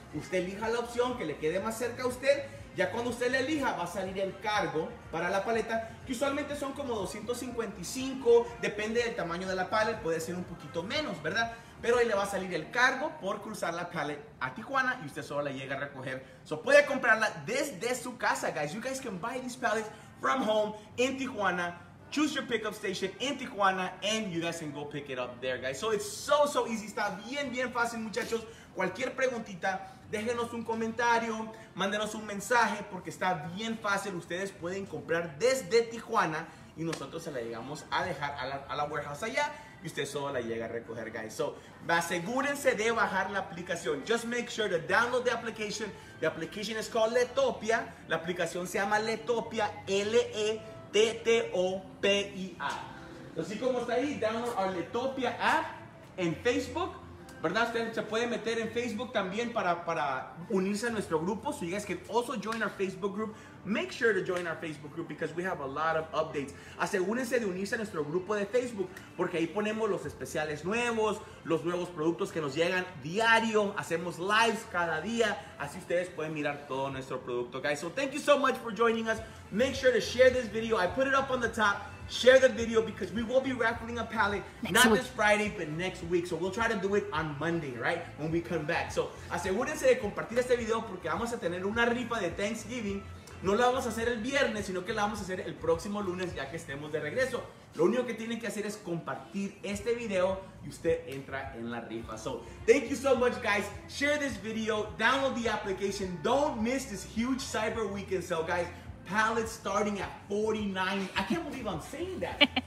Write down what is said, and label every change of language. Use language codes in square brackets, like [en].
[es] Usted elija la opción que le quede más cerca a usted. Ya cuando usted le elija, va a salir el cargo para la paleta, que usualmente son como 255, depende del tamaño de la pallet, puede ser un poquito menos, ¿verdad? Pero ahí le va a salir el cargo por cruzar la pallet a Tijuana y usted solo la llega a recoger. So puede comprarla desde su casa, guys. [en] You guys can buy these pallets from home in Tijuana. Choose your pickup station in Tijuana and you guys can go pick it up there, guys. So it's so, so easy. [es] Está bien, bien fácil, muchachos. Cualquier preguntita, déjenos un comentario, mándenos un mensaje, porque está bien fácil. Ustedes pueden comprar desde Tijuana y nosotros se la llegamos a dejar a la warehouse allá y usted solo la llega a recoger, guys. [en] So, [es] asegúrense de bajar la aplicación. [en] Just make sure to download the application. The application is called Letopia. [es] La aplicación se llama Letopia, L-E-T-T-O-P-I-A. Así como está ahí, [en] download our Letopia app [es] en Facebook. ¿Verdad? Usted se puede meter en Facebook también para unirse a nuestro grupo. [en] So you guys can also join our Facebook group. Make sure to join our Facebook group because we have a lot of updates. [es] Asegúrense de unirse a nuestro grupo de Facebook porque ahí ponemos los especiales nuevos, los nuevos productos que nos llegan diario. Hacemos lives cada día. Así ustedes pueden mirar todo nuestro producto, guys. [en] So thank you so much for joining us. Make sure to share this video. I put it up on the top. Share the video because we will be raffling a pallet not this Friday, but next week. So we'll try to do it on Monday, right? When we come back. So [es] asegúrense de compartir este video porque vamos a tener una rifa de Thanksgiving. No la vamos a hacer el viernes, sino que la vamos a hacer el próximo lunes ya que estemos de regreso. Lo único que tienen que hacer es compartir este video y usted entra en la rifa. [en] So thank you so much, guys. Share this video. Download the application. Don't miss this huge Cyber Weekend sale, guys. Pallets starting at $49. I can't believe I'm saying that.